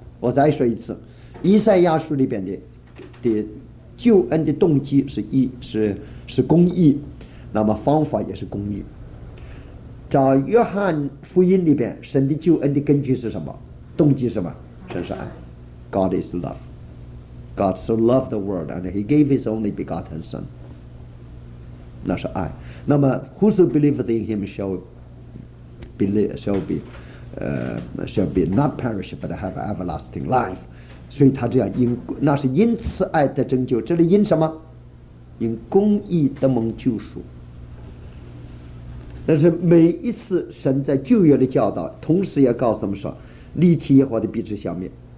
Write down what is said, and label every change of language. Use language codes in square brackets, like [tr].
[zh] 我再说一次，以赛亚书里边的救恩的动机是公义，那么方法也是公义。找约翰福音里边神的救恩的根据是什么，动机是什么，神是爱。 [en] God is love. God so loved the world, and he gave his only begotten son. [zh] 那是爱。那么 [en] whoso believeth in him shall be not perish, but have everlasting life. [zh] 所以他这样因，那是因慈爱的拯救。这里因什么？因公义的蒙救赎。但是每一次神在旧约的教导，同时也告诉我们说，离弃耶和华的必致消灭。